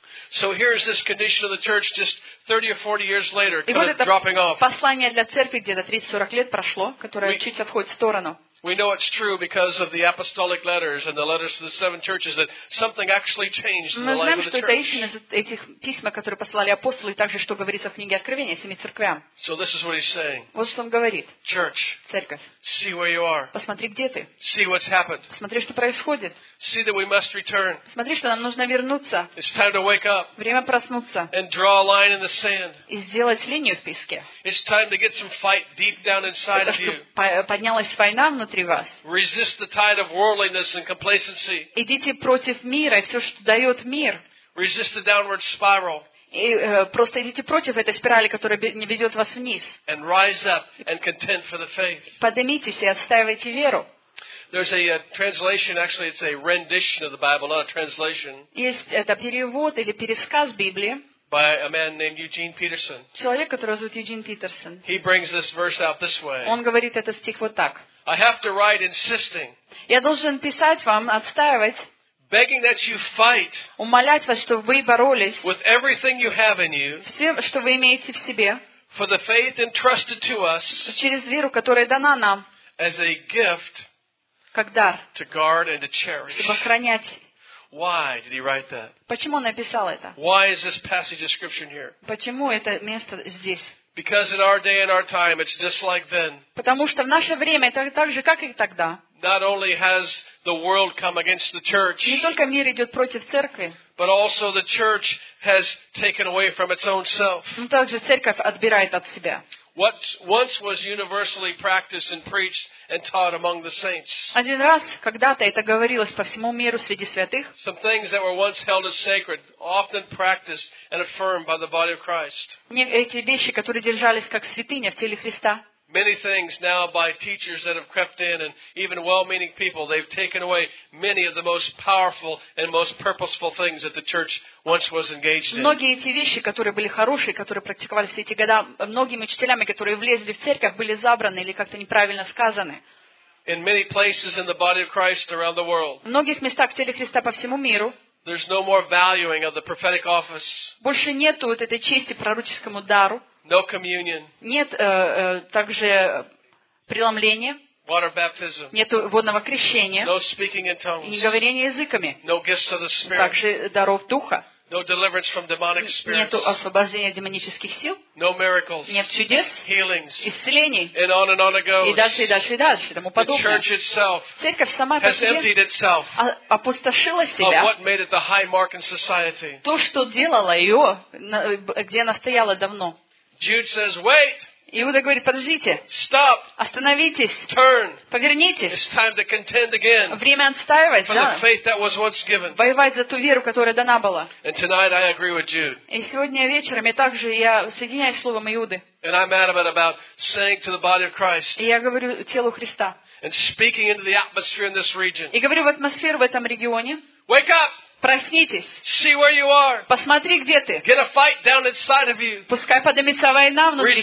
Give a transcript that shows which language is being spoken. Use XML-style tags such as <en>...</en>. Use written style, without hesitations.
<en>So here's this condition of the church just 30 or 40 years later, kind of dropping off.</en> <ru>Послание для церкви где-то 30-40 лет прошло, которое чуть отходит в сторону.</ru> <en>We know it's true because of the apostolic letters and the letters to the seven churches that something actually changed in the life of the church.</en> <ru>Мы знаем, что это истина, этих письма, которые послали апостолы, и также что говорится в книге Откровения семи церквям.</ru> <en>So this is what he's saying.</en> <ru>Вот что он говорит.</ru> <en>Church.</en> <ru>Церковь.</ru> <en>See where you are.</en> <ru>Посмотри, где ты.</ru> <en>See what's happened.</en> <ru>Посмотри, что происходит.</ru> <en>See that we must return.</en> <ru>Посмотри, что нам нужно вернуться.</ru> <en>It's time to wake up.</en> <ru>Время проснуться.</ru> <en>And draw a line in the sand.</en> <ru>И сделать линию в песке.</ru> <en>It's time to get some fight deep down inside of you.</en> <ru>Поднялась война внутри.</ru> <en>Resist the tide of worldliness and complacency.</en> <ru>Идите против мира и все, что дает мир.</ru> <en>Resist the downward spiral.</en> <ru>И просто идите против этой спирали, которая ведет вас вниз.</ru> <en>And rise up and contend for the faith.</en> <ru>Поднимитесь и отстаивайте веру.</ru> <en>There's a translation. Actually, it's a rendition of the Bible, not a translation.</en> <ru>Есть это перевод или пересказ Библии.</ru> <en>By a man named Eugene Peterson.</en> <ru>Человек, которого зовут Юджин Питерсон.</ru> <en>He brings this verse out this way.</en> <ru>Он говорит этот стих вот так.</ru> <en>I have to write insisting.</en> <ru>Я должен писать вам, отстаивать.</ru> <en>Begging that you fight.</en> <ru>Умолять вас, чтобы вы боролись.</ru> <en>With everything you have in you.</en> <ru>Всем, что вы имеете в себе.</ru> <en>For the faith entrusted to us.</en> <ru>Через веру, которая дана нам.</ru> <en>As a gift.</en> <ru>Как дар.</ru> <en>To guard and to cherish.</en> <ru>Чтобы охранять.</ru> <en>Why did he write that?</en> <ru>Почему он написал это?</ru> <en>Why is this passage of scripture here?</en> <ru>Почему это место здесь?</ru> <en>Because in our day and our time, it's just like then.</en> <ru>Потому что в наше время это так же, как и тогда.</ru> <en>Not only has the world come against the church.</en> <ru>Не только мир идет против церкви.</ru> <en>But also the church has taken away from its own self.</en> <ru>Но также церковь отбирает от себя.</ru> <en>What once was universally practiced and preached and taught among the saints.</en> <ru>Один раз когда-то это говорилось по всему миру среди святых.</ru> <en>Some things that were once held as sacred, often practiced and affirmed by the body of Christ.</en> <ru>Эти вещи, которые держались как святыня в теле Христа.</ru> <en>Many things now by teachers that have crept in and even well-meaning people, they've taken away many of the most powerful and most purposeful things that the church once was engaged in.</en> <ru>Многие эти вещи, которые были хорошие, которые практиковались эти года, многими учителями, которые влезли в церковь, были забраны или как-то неправильно сказаны.</ru> <en>In many places in the body of Christ around the world,</en> <ru>в многих местах в теле Христа по всему миру,</ru> <en>there's no more valuing of the prophetic office.</en> <ru>Больше нету вот этой чести пророческому дару.</ru> <en>No communion.</en> <ru>Нет, также преломление.</ru> <en>Water baptism.</en> <ru>Нет водного крещения.</ru> <en>No speaking in tongues.</en> <ru>И не говорение языками.</ru> <en>No gifts of the Spirit.</en> <ru>Также даров духа.</ru> <en>No deliverance from demonic spirits.</en> <ru>Нету освобождения демонических сил.</ru> <en>No miracles.</en> <ru>Нет чудес.</ru> <en>Healings.</en> <ru>Исцелений.</ru> <en>And on and on it goes.</en> <ru>И дальше, и дальше, и дальше, тому подобное.</ru> <en>The church itself.</en> <ru>Церковь сама</ru> <en>has emptied itself.</en> <ru>Опустошила себя.</ru> <en>Of what made it the high mark in society.</en> <ru>То, что делало ее, где она стояла давно.</ru> <en>Jude says, wait.</en> <ru>Иуда говорит, подождите.</ru> <en>Stop.</en> <ru>Остановитесь.</ru> <en>Turn.</en> <ru>Повернитесь.</ru> <en>It's time to contend again.</en> <ru>Время отстаивать,</ru> <en>for The faith that was once given.</en> <ru>Воевать за ту веру, которая дана была.</ru> <en>And tonight I agree with Jude.</en> <ru>И сегодня вечером я также я соединяюсь с словом Иуды.</ru> <en>And I'm adamant about saying to the body of Christ.</en> <ru>И я говорю телу Христа.</ru> <en>And speaking into the atmosphere in this region.</en> <ru>И говорю в атмосферу в этом регионе.</ru> <en>Wake up.</en> <ru>Проснитесь.</ru> <en>See where you are.</en> <ru>Посмотри, где ты.</ru> <en>Get a fight down inside of you.</en> <ru>Пускай поднимется война внутри</ru>